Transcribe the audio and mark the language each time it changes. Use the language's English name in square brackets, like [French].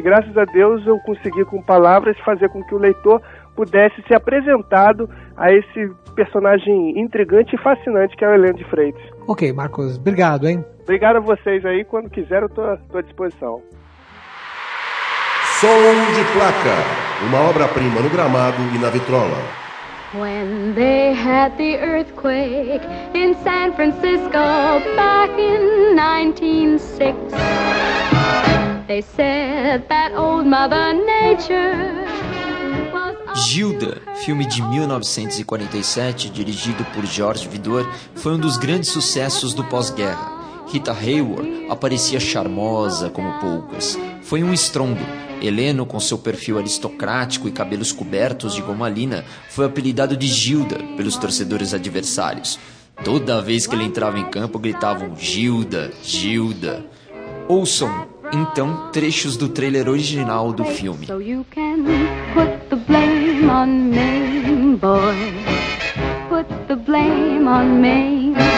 [Portuguese] Graças a Deus, eu consegui, com palavras, fazer com que o leitor pudesse ser apresentado a esse personagem intrigante e fascinante que é o Heleno de Freitas. Ok, Marcos, obrigado, hein? Obrigado a vocês aí. Quando quiser, eu tô à disposição. Som de Placa, uma obra-prima no gramado e na vitrola. [English] When they had the earthquake in San Francisco back in 1906, they said that old Mother Nature. [Portuguese] Gilda, filme de 1947, dirigido por George Vidor, foi um dos grandes sucessos do pós-guerra. Rita Hayworth aparecia charmosa como poucas. Foi um estrondo. Heleno, com seu perfil aristocrático e cabelos cobertos de gomalina, foi apelidado de Gilda pelos torcedores adversários. Toda vez que ele entrava em campo, gritavam Gilda, Gilda. Ouçam, então, trechos do trailer original do filme. [English] So you can put the blame on me, boy. Put the blame on me.